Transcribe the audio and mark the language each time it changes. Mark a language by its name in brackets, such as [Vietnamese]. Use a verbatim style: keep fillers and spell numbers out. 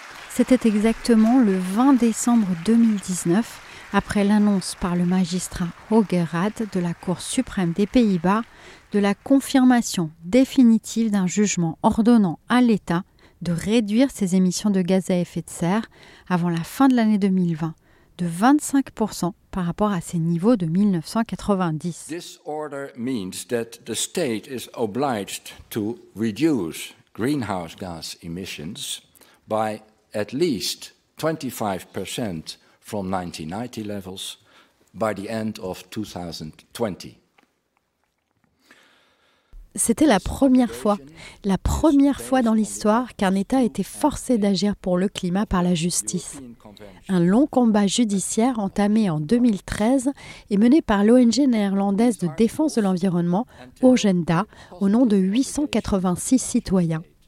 [French] C'était exactement le vingt décembre deux mille dix-neuf, après l'annonce par le magistrat Roger Rade de la Cour suprême des Pays-Bas de la confirmation définitive d'un jugement ordonnant à l'État de réduire ses émissions de gaz à effet de serre avant la fin de l'année deux mille vingt de vingt-cinq pour cent par rapport à ses niveaux de dix-neuf cent quatre-vingt-dix. [English] This order means that the state is obliged to reduce greenhouse gas emissions by at least twenty-five percent from nineteen ninety levels by the end of twenty twenty. [French] C'était la première fois, la première fois dans l'histoire qu'un État était forcé d'agir pour le climat par la justice. Un long combat judiciaire entamé en deux mille treize et mené par l'O N G néerlandaise de défense de l'environnement, Urgenda, au nom de huit cent quatre-vingt-six citoyens.